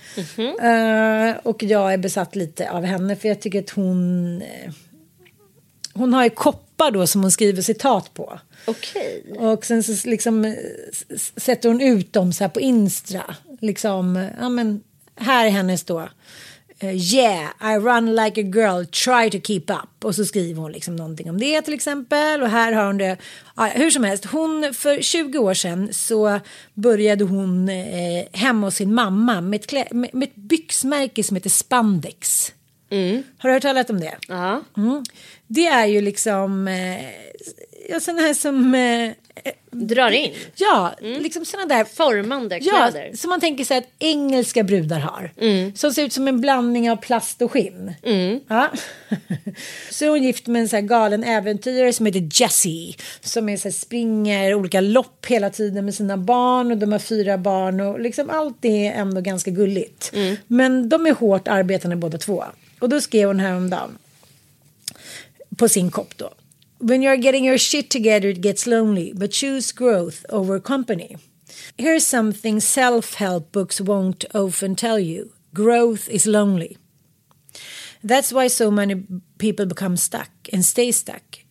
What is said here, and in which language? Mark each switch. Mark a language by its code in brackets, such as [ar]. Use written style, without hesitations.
[sv] Mm-hmm. Och jag är besatt lite av henne. För jag tycker att hon... Hon har ju koppar då som hon skriver citat på. Okej. [en] Okay. [sv] Och sen så liksom sätter hon ut dem så här på Instra. Liksom, ja men här är hennes då... [en] Yeah, I run like a girl, try to keep up. [sv] Och så skriver hon liksom någonting om det till exempel. Och här har hon det. Ja, hur som helst, hon för 20 år sedan så började hon hemma hos sin mamma med ett byxmärke som heter Spandex. Mm. Har du hört talat om det? Ja. Mm. Det är ju liksom sådana här som... drar in. Ja, mm. liksom såna där formande kläder. Ja, som man tänker sig att engelska brudar har. Mm. Som ser ut som en blandning av plast och skinn. Mm. Ja. Så är hon gift med en så här galen äventyrare som heter Jesse. Som är så här, springer olika lopp hela tiden med sina barn. Och de har 4 barn. Och liksom allt det är ändå ganska gulligt. Mm. Men de är hårt arbetande båda två. Och då skrev hon häromdagen. På sin kopp då. [en] When you're getting your shit together, it gets lonely. But choose growth over company. Here's something self-help books won't often tell you. Growth is lonely. That's why so many people become stuck and stay stuck.